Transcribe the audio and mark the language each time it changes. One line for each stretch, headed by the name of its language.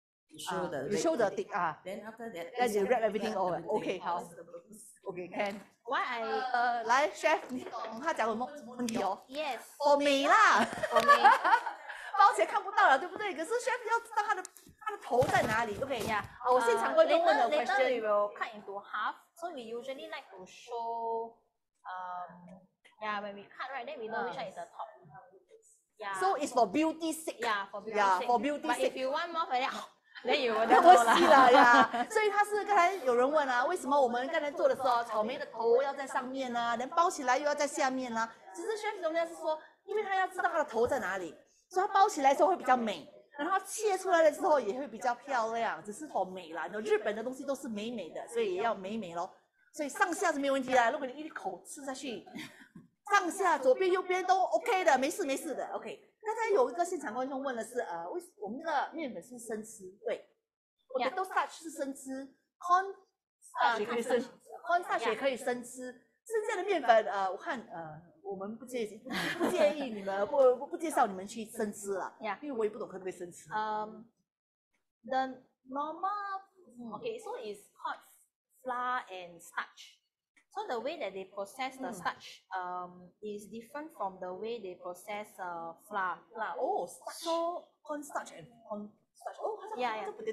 English: you show the thick, Then after that, you wrap everything over. OK， 好。OK， can. Why I
Chinese: 来 chef， 你懂他讲什么问题哦
English: ？Yes，
Chinese: 草莓啦，包起来看不到了，对不对？可是 chef 要知道他的。头在哪里 ？OK， 呀，我现场观众问的 question，
English: later we will cut into half， so we usually like to show， when we cut right， then we know which one is the top， So it's for beauty sake， for beauty sake， but if you want more for that， then you will know
Chinese: 啦，所以他是刚才有人问啊，为什么我们刚才做的时候，草莓的头要在上面呢？ Then 包起来又要在下面呢？其实 chef 中间是说，因为他要知道他的头在哪里，所以他包起来的时候会比较美。然后切出来的时候也会比较漂亮，只是说美啦，日本的东西都是美美的，所以也要美美咯。所以上下是没有问题的，如果你一口吃下去，上下左边右边都 OK 的，没事没事的 ，OK。刚才有一个现场观众问的是，为我们那个面粉是生吃，对，我们都 starch 是生吃 ，corn 可以生，corn starch 也可以生吃。剩下的面粉，我看，我们不介意你们不介绍你们去生吃了，
English: yeah.
Chinese: 因为我也不懂可不可以生吃。
English: The normal, okay, so it's called flour and starch. So the way that they process the starch, is different from the way they process flour. Oh, starch. So corn starch and corn. Oh, yeah, yeah.